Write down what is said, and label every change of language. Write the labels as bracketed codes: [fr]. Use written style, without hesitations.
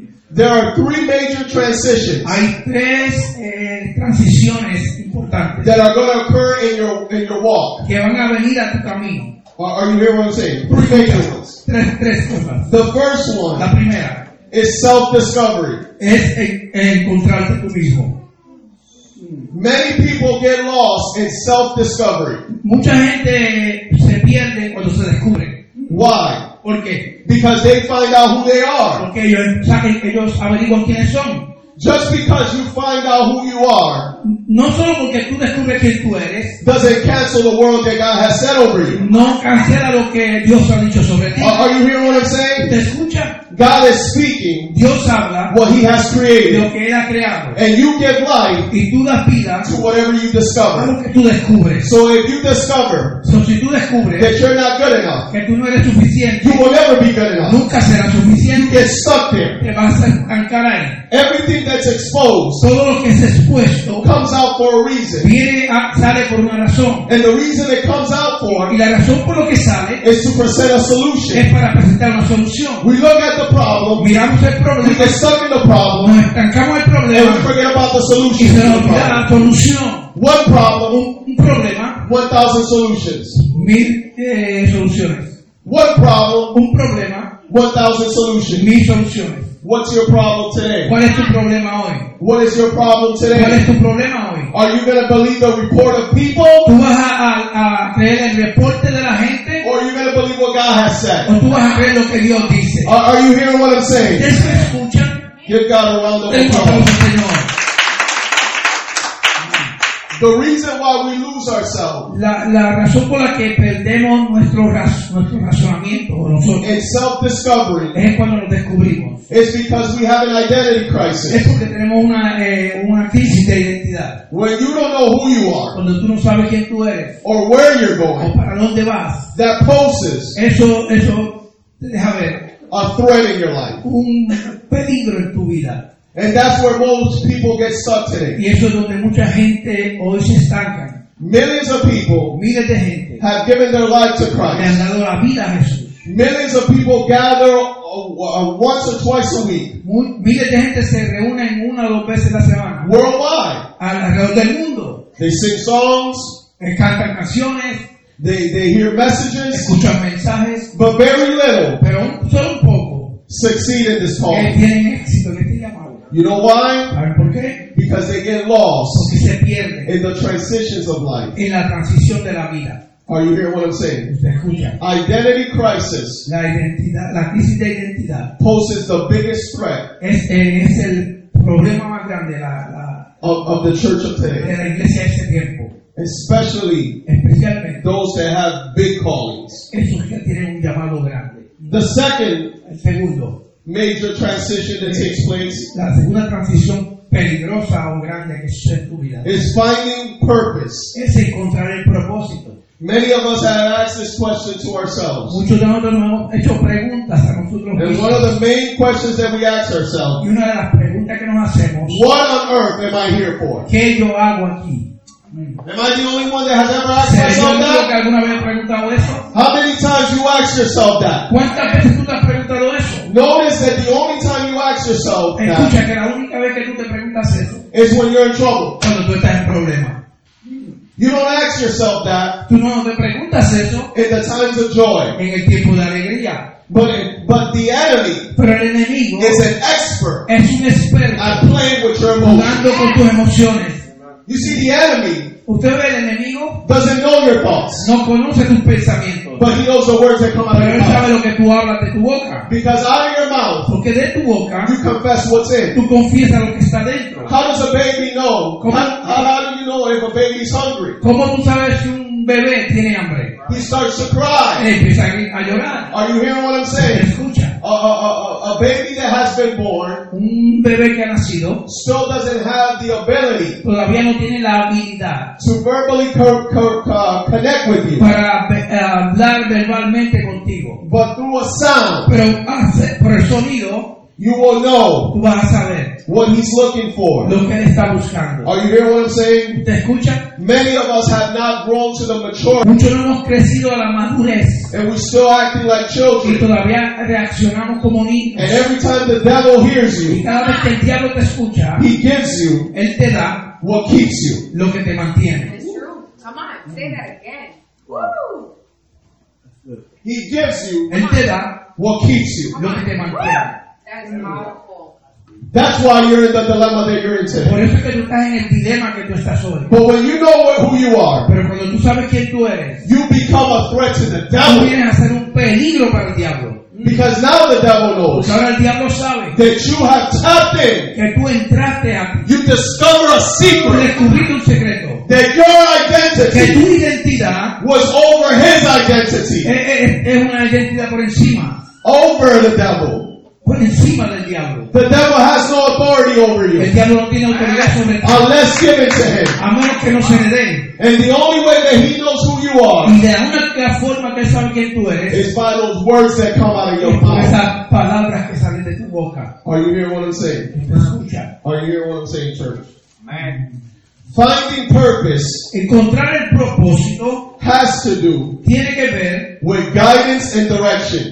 [en] There are three major transitions. [es] Hay tres transiciones importantes. [en] That are going to occur in your walk. [es] Que van a venir a tu camino. [en] Are you hearing what I'm saying? Three major ones. [es] Tres cosas. [en] The first one. [es] La primera. [en] Is self-discovery. [es] Es encontrarte tú mismo. [en] Many people get lost in self-discovery. [es] Mucha gente se pierde cuando se descubre. [en] Why? [es] ¿Por qué? [en] Because they find out who they are. [es] Porque ellos averiguan quiénes son. [en] Just because you find out who you are. [es] No solo porque tú descubres quién tú eres. [en] Does it cancel the world that God has said over you? [es] No cancela lo que Dios ha dicho sobre ti. [en] Are you hearing what I'm saying? [es] ¿Te escucha? [en] God is speaking. [es] Dios habla. [en] What He has created. [es] Lo que Él ha creado. [en] And you give life. [es] Y tú das vida. [en] To whatever you discover. [es] A lo que tú descubres. [en] So if you discover. [es] So si tú descubres. [en] That you're not good enough. [es] Que tú no eres suficiente. [en] You will never be good enough. [es] Nunca serás suficiente. [en] You get stuck there. [es] Te vas a estancar ahí. [en] Everything that's exposed. [es] Todo lo que es expuesto. [en] Comes out for a reason. [es] Sale por una razón. [en] And the reason it comes out for. [es] Y la razón por lo que sale. [en] Is to present a solution. [es] Es para presentar una solución. [en] We look at the the problem. [es] Miramos el problema. [en] We get stuck in the problem. [es] Nos estancamos el problema. [en] And we forget about the solution. [es] Y se nos olvida la solución. [en] One problem. [es] Un problema. [en] 1,000 solutions. [es] Mil soluciones. [en] One problem. [es] Un problema. [en] 1,000 solutions. [es] Mil soluciones. [en] What's your problem today? [es] ¿Cuál es tu problema hoy? [en] What is your problem today? [es] ¿Cuál es tu problema hoy? [en] Are you going to believe the report of people? [es] ¿Tú vas a creer el reporte de la gente? [en] Or are you going to believe what God has said? [es] ¿O tú vas a creer lo que Dios dice? [en] Are you hearing what I'm saying? [es] ¿Es que escucha? [en] Give God a round of applause. The reason why we lose ourselves. [es] La razón por la que perdemos nuestro razonamiento nosotros. [en] It's self-discovery. [es] Es cuando nos descubrimos. [en] It's because we have an identity crisis. [es] Es porque tenemos una crisis de identidad. [en] When you don't know who you are. [es] Cuando tú no sabes quién tú eres. [en] Or where you're going. [es] O para dónde vas. [en] That poses. [es] Eso deja ver. [en] A threat in your life. [es] Un peligro en tu vida. [en] And that's where most people get stuck today. [es] Y eso es donde mucha gente hoy se estanca. [en] Millions of people, [es] miles de gente, [en] have given their life to Christ. [es] Han dado la vida a Jesús. [en] Millions of people gather once or twice a week. [es] Miles de gente se reúnen una o dos veces a la semana. [en] Worldwide, [es] alrededor del mundo. [en] They sing songs, [es] cantan canciones. [en] They hear messages, [es] escuchan mensajes. [en] But very little, [es] pero solo un poco, [en] succeed in this call. [es] Tienen éxito en este llamado. [en] You know why? [es] ¿Por qué? [en] Because they get lost. [es] Porque se pierden. [en] In the transitions of life. [es] En la transición de la vida. [en] Are you hearing what I'm saying? [es] ¿Usted escucha? [en] Identity crisis. [es] La identidad, la crisis de identidad. [en] Poses the biggest threat. [es] Es el problema más grande [en] of the church of today. [es] De la iglesia de ese tiempo. Especialmente [en] those that have big callings. [es] Esos que tienen un llamado grande. [en] The second. [es] El segundo. [en] Major transition that takes place. [es] La segunda transición peligrosa o grande que sucede en tu vida. [en] Is finding purpose. [es] Es encontrar el propósito. [en] Many of us have asked this question to ourselves. [es] Muchos de nosotros nos hemos hecho preguntas a nosotros mismos. [en] And one of the main questions that we ask ourselves. [es] Y una de las preguntas que nos hacemos. [en] What on earth am I here for? [es] ¿Qué yo hago aquí? [en] Am I the only one that has ever asked myself that? [es] ¿Que alguna vez has preguntado eso? [en] How many times you ask yourself that? [es] ¿Cuántas veces tú te has preguntado eso? [en] Notice that the only time you ask yourself [es] escucha, [en] that [es] que la única vez que tú te preguntas eso [en] is when you're in trouble. [es] Cuando tú estás en problema. [en] You don't ask yourself that. [es] Tú no te preguntas eso [en] in the times of joy. [es] En el tiempo de alegría. [en] But the enemy, [es] pero el enemigo [en] is an expert, [es] es un experto [en] at playing with your emotions. [es] Jugando con tus emociones. [en] You see, the enemy, [es] usted ve el enemigo, [en] doesn't know your thoughts, [es] no conoce tus pensamientos, [en] but he knows the words that come out of your mouth. [es] Pero él sabe lo que tú hablas de tu boca. [en] Because out of your mouth, [es] porque de tu boca, [en] you confess what's in. [es] Tú confiesas lo que está dentro. [en] How does a baby know? How do you know if a baby is hungry? [es] ¿Cómo tú sabes si un bebé tiene hambre? [en] He starts to cry. [es] Él empieza a llorar. [en] Are you hearing what I'm saying? [es] Escucha. [en] A baby that has been born, [es] un bebé que ha nacido, [en] still doesn't have the ability, [es] todavía no tiene la habilidad, [en] to verbally connect with you, [es] para hablar verbalmente contigo, [en] but through a sound, [es] pero por el sonido, [en] you will know, [es] tú vas a saber, [en] what he's looking for, [es] lo que él está buscando. [en] Are you hearing what I'm saying? [es] ¿Te escucha? [en] Many of us have not grown to the maturity. [es] Muchos no hemos crecido a la madurez. [en] And we're still acting like children. [es] Y todavía reaccionamos como niños. [en] And every time the devil hears you, [es] y cada vez que el diablo te escucha, [en] he gives you, [es] él te da, [en] what keeps you, [es] lo que te mantiene. [en] It's true. Come on, say that again. Woo! He gives you, [es] él te da, [en] what keeps you, [es] lo que te mantiene. [en] That's powerful. That's why you're in the dilemma that you're in today. [es] Por eso que tú estás en el dilema que tú estás hoy. [en] But when you know who you are, [es] pero cuando tú sabes quién tú eres, [en] you become a threat to the devil. [es] Tú vienes a ser un peligro para el diablo. [en] Because now the devil knows, [es] pues ahora el diablo sabe, [en] that you have tapped in, [es] que tú entraste a ti. [en] You discover a secret, [es] descubriste un secreto, [en] that your identity, [es] que tu identidad, [en] was over his identity, [es] es una identidad por encima, [en] over the devil. [es] Por encima del diablo. [en] The devil has no authority over you. [es] El diablo no tiene autoridad sobre ti. [en] Unless given to him. [es] A menos que no se le dé. [en] And the only way that he knows who you are. [es] Y de alguna forma que sabe quién tú eres. [en] Is by those words that come out of your mouth. [es] Esas palabras que salen de tu boca. [en] Are you hearing what I'm saying? [es] Escucha. [en] Are you hearing what I'm saying, church? Man. Finding purpose. [es] Encontrar el propósito. [en] Has to do. [es] Tiene que ver. [en] With guidance and direction.